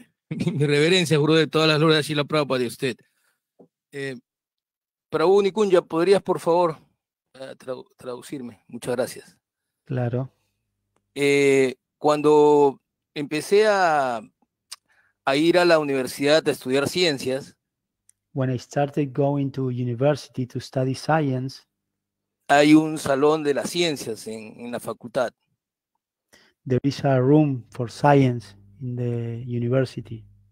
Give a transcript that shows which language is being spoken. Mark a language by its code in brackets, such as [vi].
[es] Mi reverencia, Gurudev, todas las glorias y la Prabhupada de usted. Prabhu Nikunya, ¿podrías, por favor, traducirme? Muchas gracias. Claro. Cuando empecé a ir a la universidad a estudiar ciencias, [en] when I started going to university to study science, [es] hay un salón de las ciencias en la facultad. [en] There is a room for science in the university.